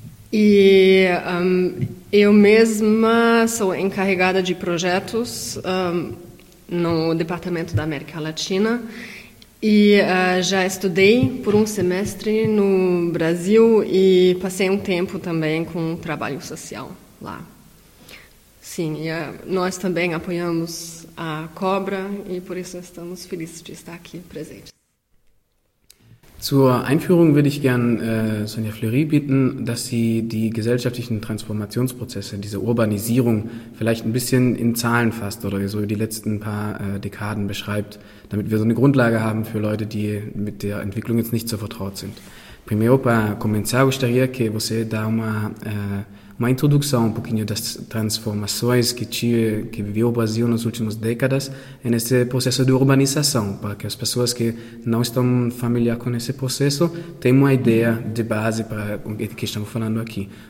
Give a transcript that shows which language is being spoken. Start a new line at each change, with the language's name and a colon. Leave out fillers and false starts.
Portuguese: E eu mesma sou encarregada de projetos no Departamento da América Latina e já estudei por um semestre no Brasil e passei um tempo também com trabalho social lá. Sim, e nós também apoiamos a Cobra e por isso estamos felizes de estar aqui presente.
German: Zur Einführung würde ich gern Sonja Fleury bitten, dass sie die gesellschaftlichen Transformationsprozesse, diese Urbanisierung vielleicht ein bisschen in Zahlen fasst oder so die letzten paar Dekaden beschreibt, damit wir so eine Grundlage haben für Leute, die mit der Entwicklung jetzt nicht so vertraut sind.
Portuguese: Primeiro, para começar, gostaria que você dá uma introdução um pouquinho das transformações que viveu o Brasil nas últimas décadas nesse processo de urbanização, para que as pessoas que não estão familiar com esse processo tenham uma ideia de base para o que estamos falando aqui.